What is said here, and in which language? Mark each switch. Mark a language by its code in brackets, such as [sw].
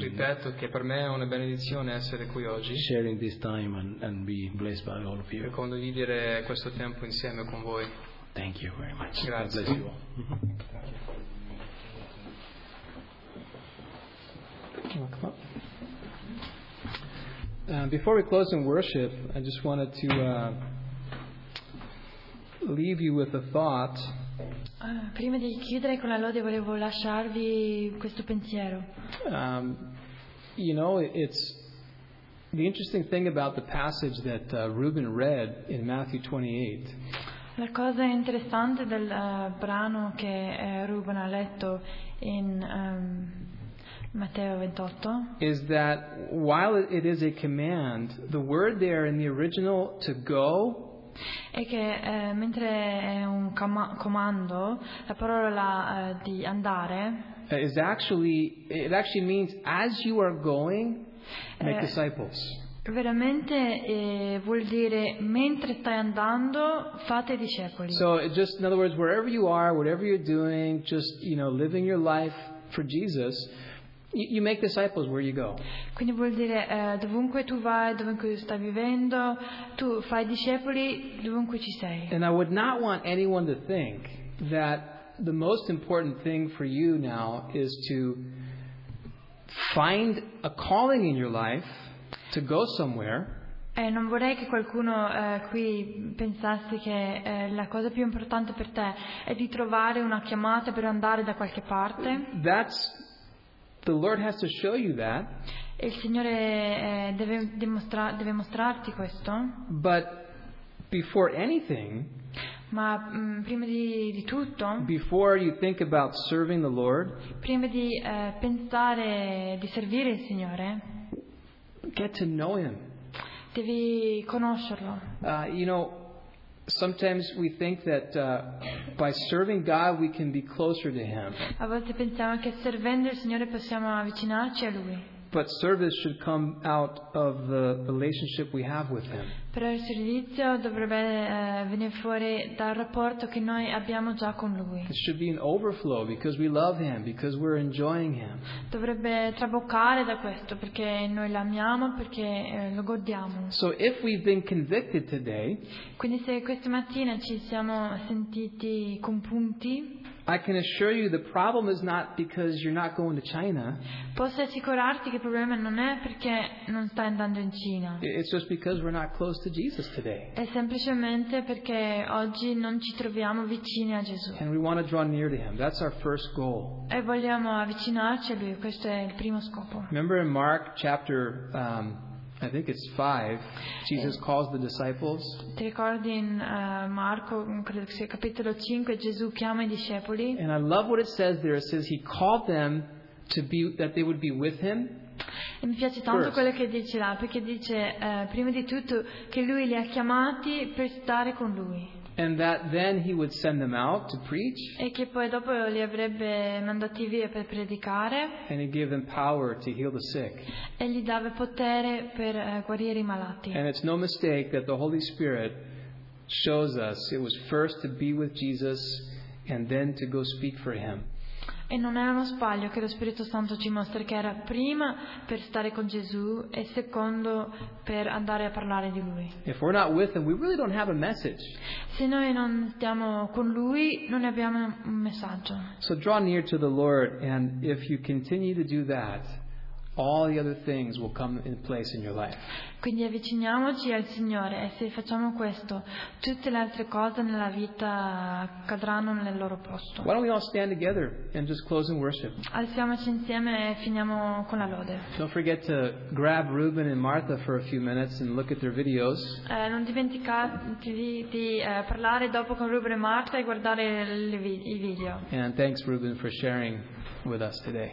[it] ripeto che per me è una benedizione essere qui oggi. [en] Sharing this time and be blessed by all of you. [it] E condividere questo tempo insieme con voi. [en] Thank you very much. [it] Grazie. [en] God bless you all. Before we close in worship, I just wanted to leave you with a thought. [it] Prima di chiudere con la lode, volevo lasciarvi questo pensiero. [en] You know, it's the interesting thing about the passage that Reuben read in Matthew 28. [it] La cosa interessante del brano che Reuben ha letto in Matteo 28 [en] is that while it is a command, the word there in the original to go [it] è che mentre è un comando, la parola di andare [en] is actually, it actually means as you are going make disciples. [it] Veramente vuol dire mentre stai andando fate discepoli. [en] So just in other words, wherever you are, whatever you're doing, just, you know, living your life for Jesus, you make disciples where you go. [it] Quindi vuol dire dovunque tu vai, dovunque stai vivendo, tu fai discepoli dovunque ci sei. [en] And I would not want anyone to think that the most important thing for you now is to find a calling in your life to go somewhere. [it] E non vorrei che qualcuno qui pensasse che la cosa più importante per te è di trovare una chiamata per andare da qualche parte. [en] That's the Lord has to show you that. [it] Il Signore deve mostrarti questo. [en] But before anything, [it] ma prima di tutto, [en] before you think about serving the Lord, [it] prima di pensare di servire il Signore, [en] get to know Him. [it] Devi conoscerlo. [en] You know, sometimes we think that by serving God we can be closer to Him. [it] A volte pensiamo che servendo il Signore possiamo avvicinarci a Lui. [en] But service should come out of the relationship we have with Him. [it] Però il servizio dovrebbe venire fuori dal rapporto che noi abbiamo già con Lui. [en] It should be an overflow because we love Him, because we're enjoying Him. [it] Dovrebbe traboccare da questo perché noi l'amiamo, perché lo godiamo. [en] So if we've been convicted today, [it] quindi se questa mattina ci siamo sentiti compunti, [en] I can assure you the problem is not because you're not going to China. [it] Posso assicurarti che il problema non è perché non stai andando in Cina. [en] It's just because we're not close to Jesus today. [it] È semplicemente perché oggi non ci troviamo vicini a Gesù. [en] And we want to draw near to Him. That's our first goal. [it] E vogliamo avvicinarci a Lui. Questo è il primo scopo. [en] Remember in Mark chapter I think it's 5, Jesus calls the disciples. [it] Ti ricordi in Marco, credo che sia capitolo 5, Gesù chiama i discepoli. [en] And I love what it says there. It says He called them to be, that they would be with Him. [it] E mi piace tanto [en] first. [it] Quello che dice là, perché dice prima di tutto che Lui li ha chiamati per stare con Lui. [en] And that then He would send them out to preach. [it] E che poi dopo li avrebbe mandati via per predicare. [en] And He gave them power to heal the sick. [it] E gli dava potere per guarire i malati. [en] And it's no mistake that the Holy Spirit shows us it was first to be with Jesus and then to go speak for Him. [it] E non è uno sbaglio che lo Spirito Santo ci mostra che era prima per stare con Gesù e secondo per andare a parlare di Lui. [en] If we're not with Him, we really don't have a message. [it] Se noi non stiamo con Lui, non abbiamo un messaggio. [en] So draw near to the Lord, and if you continue to do that, all the other things will come in place in your life. [it] Quindi avviciniamoci al Signore, e se facciamo questo, tutte le altre cose nella vita cadranno nel loro posto. [en] Why don't we all stand together and just close in worship? [it] Alziamoci insieme e finiamo con la lode. [en] Don't forget to grab Reuben and Martha for a few minutes and look at their videos. [it] Non dimenticate di parlare dopo con Reuben e Martha e guardare i video. [en] And thanks Reuben for sharing with us today.